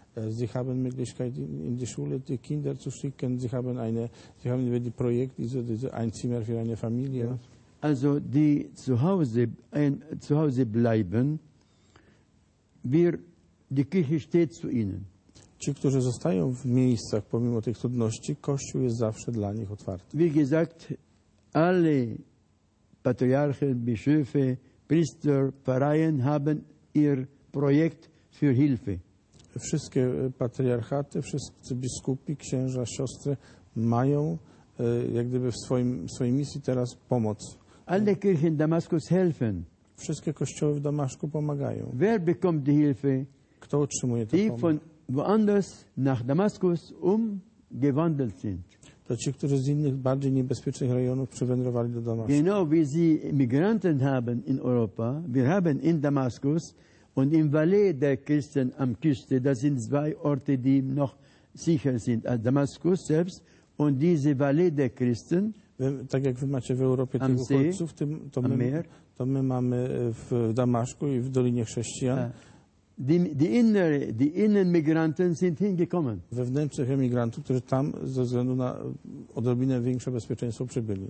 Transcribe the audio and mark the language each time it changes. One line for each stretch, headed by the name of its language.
German: Sie haben Möglichkeit in die Schule die Kinder zu schicken. Sie haben über die Projekt diese Einzimmer für eine Familie. Also die zu Hause bleiben, die Kirche steht zu ihnen.
Polish: Ci, którzy zostają w miejscach pomimo tych trudności, Kościół jest zawsze dla nich otwarty.
German: Wie gesagt, alle Patriarchen, Bischöfe, Priester, Pfarreien haben ihr Projekt für Hilfe.
Polish: Wszystkie patriarchaty, wszyscy biskupi, księża, siostry mają jak gdyby w swojej misji teraz pomoc.
German: Alle Kirchen in Damaskus helfen.
Polish: Wszystkie kościoły w Damaszku pomagają.
German: Wer bekommt die Hilfe?
Polish: Kto otrzymuje tę pomoc?
German: Die von woanders nach Damaskus umgewandelt sind.
Polish: To ci, którzy z innych, bardziej niebezpiecznych rejonów przywędrowali do Damaszku.
German: Genau wie sie Migranten haben in Europa, wir haben in Damaskus und im Valais der Christen am Küste, das sind zwei Orte, die noch sicher sind, als Damaskus selbst und diese Valais der Christen.
Polish: Tak jak wy macie w Europie tych uchodźców, to my mamy w Damaszku i w Dolinie Chrześcijan.
German: Die inneren Migranten sind hingekommen.
Polish: Wewnętrznych emigrantów, którzy tam ze względu na odrobinę większe bezpieczeństwo przybyli.